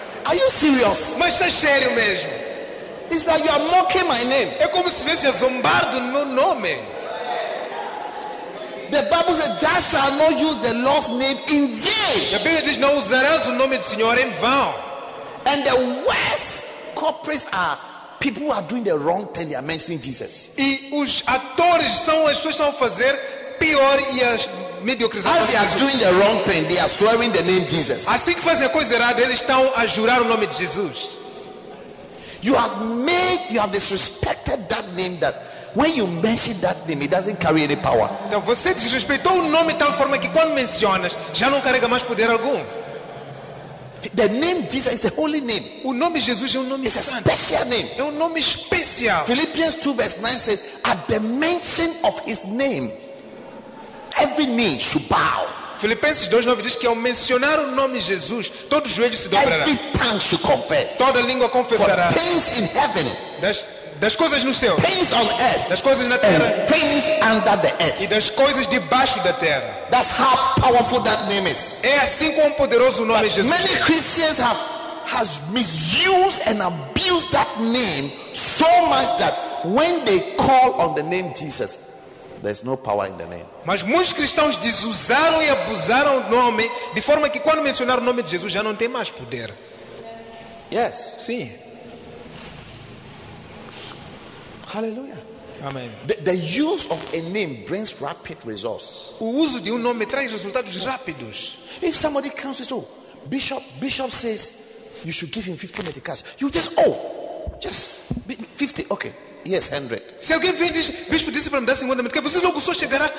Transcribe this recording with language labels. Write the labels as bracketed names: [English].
[English] Are you serious? [Portuguese] Mas está sério mesmo? [English] It's like you are mocking my name. [Portuguese] É como se fosse a zombar do meu nome. [English] The Bible says, "Thou shalt not use the Lord's name in vain." [Portuguese] A Bíblia diz, não usarás o nome do Senhor em vão. [English] And the worst culprits are people who are doing the wrong thing. They are mentioning Jesus. [Portuguese] E os atores são as pessoas que estão a fazer pior e as [English] as they are doing the wrong thing, they are swearing the name Jesus. [Portuguese] Assim que fazem a coisa errada, eles estão a jurar o nome de Jesus. [English] You have disrespected that name that when you mention that name, it doesn't carry any power. [Portuguese] Então você desrespeitou o nome de tal forma que quando mencionas, já não carrega mais poder algum. [English] The name Jesus is a holy name. [Portuguese] O nome Jesus é nome santo. [English] It's a special name. [Portuguese] É nome especial. [English] Philippians 2 verse 9 says, at the mention of his name, every knee should bow. [Portuguese] Filipenses 2:9 diz que ao mencionar o nome de Jesus, todo joelho se dobrará. [English] Every tongue should confess. [Portuguese] Toda língua confessará. [English] For things in heaven. [Portuguese] Das coisas no céu. [English] Things on earth. [Portuguese] Das coisas na terra. [English] And things under the earth. [Portuguese] E das coisas debaixo da terra. [English] That's how powerful that name is. [Portuguese] É assim quão poderoso o nome [English] But [Portuguese] é Jesus. [English] Many Christians has misused and abused that name so much that when they call on the name Jesus, there's no power in the name. [Portuguese] Mas muitos cristãos desusaram e abusaram do nome de forma que quando mencionaram o nome de Jesus já não tem mais poder. [English] Yes. [Portuguese] Sim. [English] Hallelujah. [Portuguese] Amém. [English] The use of a name brings rapid results. [Portuguese] O uso de nome traz resultados rápidos. [English] If somebody comes and says, "Oh, Bishop says you should give him 50 medicals." You just, "Oh, just 50, okay." Yes, 100. [Portuguese] Se alguém vem diz, bispo disse para me dar 50 medicais, você logo só chegará.